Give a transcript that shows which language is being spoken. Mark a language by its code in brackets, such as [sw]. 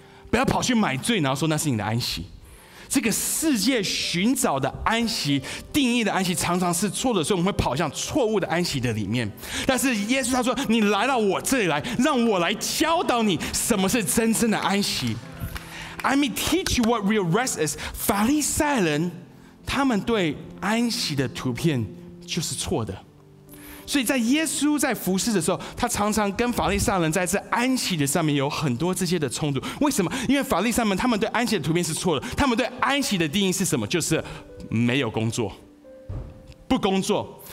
[zh] 不要跑去买醉，然后说那是你的安息。这个世界寻找的安息，定义的安息常常是错的，所以我们会跑向错误的安息的里面。但是耶稣他说，你来到我这里来，让我来教导你什么是真正的安息。 [en] I mean, teach you what real rest is. [zh] 法利赛人他们对安息的图片就是错的。所以在耶稣在服事的时候，他常常跟法利赛人在这安息的上面有很多这些的冲突。为什么？因为法利赛人他们对安息的图片是错的。他们对安息的定义是什么？就是没有工作，不工作。